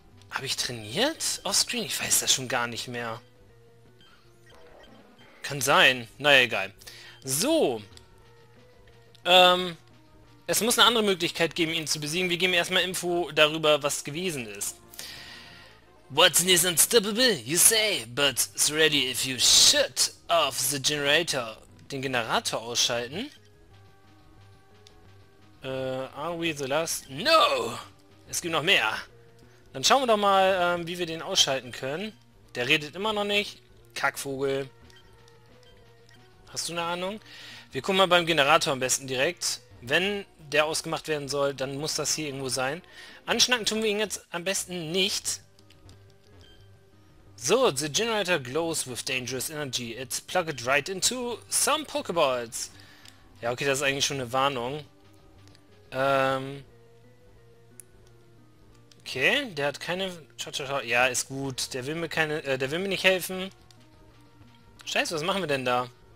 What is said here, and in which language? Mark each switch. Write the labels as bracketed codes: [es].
[de] Habe ich trainiert? Offscreen? Ich weiß das schon gar nicht mehr. Kann sein. Naja, egal. So. Es muss eine andere Möglichkeit geben, ihn zu besiegen. Wir geben erstmal Info darüber, was gewesen ist. [en] Watson is unstoppable, you say, but it's ready if you shut off the generator. [de] Den Generator ausschalten. [en] Are we the last? No! [de] Es gibt noch mehr. Dann schauen wir doch mal, wie wir den ausschalten können. Der redet immer noch nicht. Kackvogel. Hast du eine Ahnung? Wir gucken mal beim Generator am besten direkt. Wenn der ausgemacht werden soll, dann muss das hier irgendwo sein. Anschnacken tun wir ihn jetzt am besten nicht. [en] So, the generator glows with dangerous energy. It's plugged right into some Pokeballs. [de] Ja, okay, das ist eigentlich schon eine Warnung. Okay, der hat keine... Ja, ist gut. Der will mir keine... der will mir nicht helfen. Scheiße, was machen wir denn da?